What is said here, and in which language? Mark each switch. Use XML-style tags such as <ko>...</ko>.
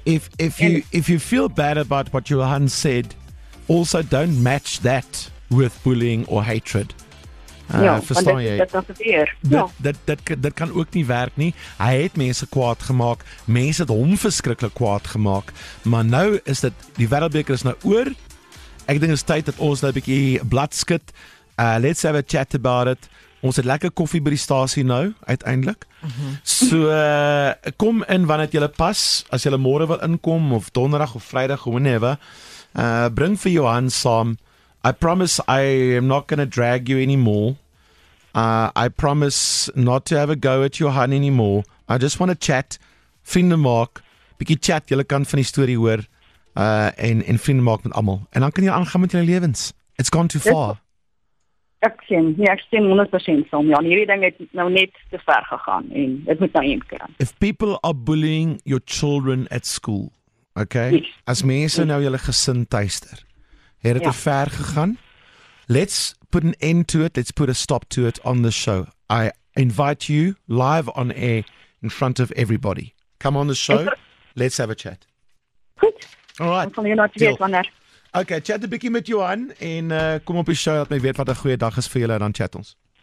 <en>If you feel bad about what Johan said, also don't match that with bullying or hatred.</en> <af>Verstaan jy? Dit kan ook nie werk nie. Hy het mense kwaad gemaak. Mense het hom verskriklik kwaad gemaak. Maar nou is dit, die wêreldbeker is nou oor. Ek dink is tyd dat ons nou 'n bietjie blad skud.</af> <en>Let's have a chat about it.</en> <af>Ons het lekker koffie by die stasie nou, uiteindelik. So, kom in wanneer jy pas, as jy môre wil inkom, of donderdag, of vrydag, whenever. Bring vir Johan saam.</af> <en>I promise I am not going to drag you anymore. I promise not to have a go at Johan anymore. I just want to chat,</en> <af>vriende maak, bietjie chat, jy kan van die story hoor, en vriende maak met almal. En dan kan jy aangaan met jou lewens.</af> <en>It's gone too far.</en> <af>Ek sien 100% som, Jan. Hierdie ding het nou net te ver gegaan en dit moet nou eendag.</af> <en>If people are bullying your children at school, okay? Yes.</en> <af>As mense nou julle gesin tuister, het dit te ver gegaan.</af> <en>Let's put an end to it. Let's put a stop to it on the show. I invite you live on air in front of everybody. Come on the show. Let's have a chat.</en> <af>Goed.</af> <en>All right.</en> <af>Okay, chat a bietjie met Johan en kom op die show, laat my weet wat 'n goeie dag is vir julle en dan chat ons.</af>